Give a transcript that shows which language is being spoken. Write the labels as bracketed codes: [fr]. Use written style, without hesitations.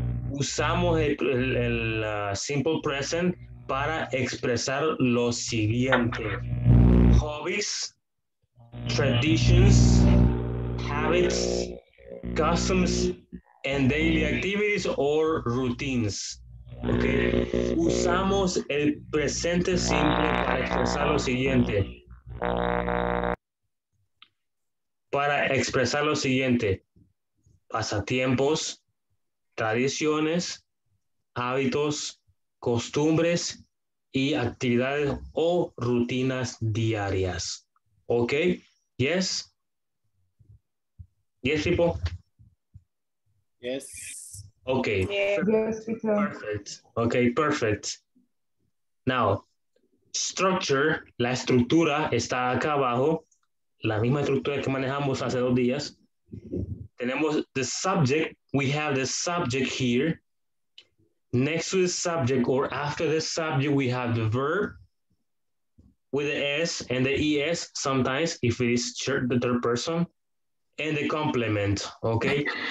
[es] Usamos el simple present para expresar lo siguiente. [en] Hobbies, traditions, habits, customs, and daily activities or routines. Okay. [es] Usamos el presente simple para expresar lo siguiente. Para expresar lo siguiente. Pasatiempos, tradiciones, hábitos, costumbres y actividades o rutinas diarias. [en] ¿Ok? ¿Yes? ¿Yes, tipo? Yes. Ok. Perfect. Ok, perfect. Now, structure, [es] la estructura está acá abajo. La misma estructura que manejamos hace dos días. Tenemos [en] the subject. We have the subject here. Next to the subject or after the subject, we have the verb with the S and the ES sometimes if it is the third person and the complement, okay?